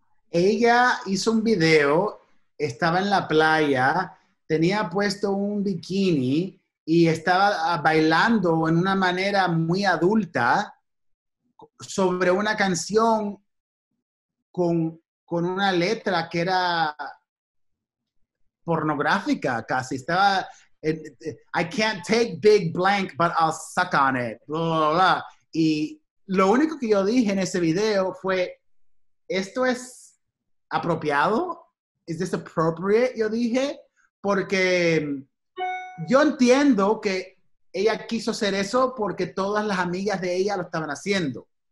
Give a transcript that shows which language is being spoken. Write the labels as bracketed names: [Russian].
[Spanish] Ella hizo un video, estaba en la playa, tenía puesto un bikini y estaba bailando en una manera muy adulta sobre una canción con una letra que era pornográfica casi. Estaba, [English] I can't take big blank, but I'll suck on it. Blah, blah, blah. [Spanish] Y lo único que yo dije en ese video fue, ¿esto es apropiado? [English] Is this appropriate? [Spanish] Yo dije, porque yo entiendo que ella quiso hacer eso porque todas las amigas de ella lo estaban haciendo.